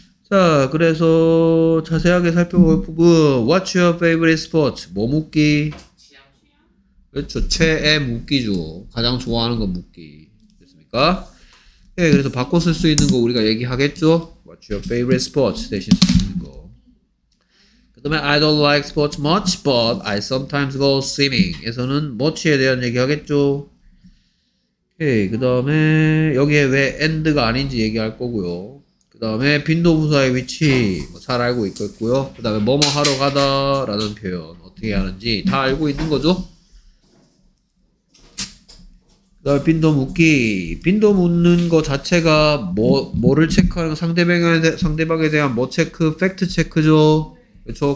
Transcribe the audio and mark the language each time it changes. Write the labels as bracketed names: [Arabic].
[Korean] 자, 그래서 자세하게 살펴볼 부분. [English] What's your favorite sport? [Korean] 뭐 묻기? 그렇죠. 최애 묻기죠. 가장 좋아하는 거 묻기. 됐습니까? 예, 네, 그래서 바꿔 쓸 수 있는 거 우리가 얘기하겠죠? [English] What's your favorite sports? [Korean] 대신 쓸 수 있는 거. [English] 그 다음에 I don't like sports much, but I sometimes go swimming. [Korean] 에서는 much에 대한 얘기하겠죠? 오케이, 그 다음에 여기에 왜 and가 아닌지 얘기할 거고요. 그 다음에 빈도부사의 위치 뭐 잘 알고 있겠고요. 그 다음에 뭐뭐 하러 가다 라는 표현 어떻게 하는지 다 알고 있는 거죠? 그 다음에 빈도 묻기. 빈도 묻는 거 자체가 뭐를 체크하는 거, 상대방에 대한 뭐 체크, 팩트 체크죠. 그렇죠.